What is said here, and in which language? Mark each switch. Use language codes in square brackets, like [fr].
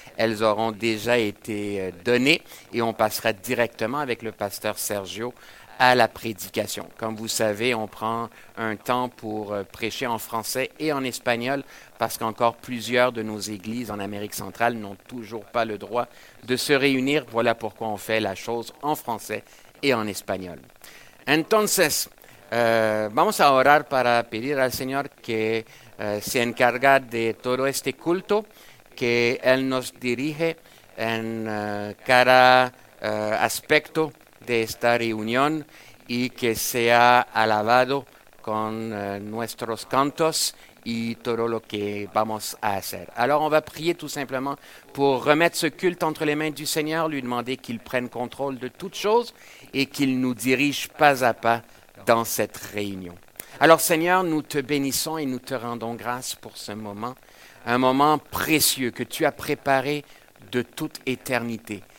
[fr] Elles auront déjà été données et on passera directement avec le pasteur Sergio à la prédication. Comme vous savez, on prend un temps pour prêcher en français et en espagnol parce qu'encore plusieurs de nos églises en Amérique centrale n'ont toujours pas le droit de se réunir. Voilà pourquoi on fait la chose en français et en espagnol. [es] Entonces, vamos a orar para pedir al Señor que se encarga de todo este culto, que Él nos dirige en cada aspecto de esta reunión y que sea alabado con nuestros cantos y todo lo que vamos a hacer. [fr] Alors, on va prier tout simplement pour remettre ce culte entre les mains du Seigneur, lui demander qu'il prenne contrôle de toutes choses et qu'il nous dirige pas à pas dans cette réunion. Alors, Seigneur, nous te bénissons et nous te rendons grâce pour ce moment, un moment précieux que tu as préparé de toute éternité.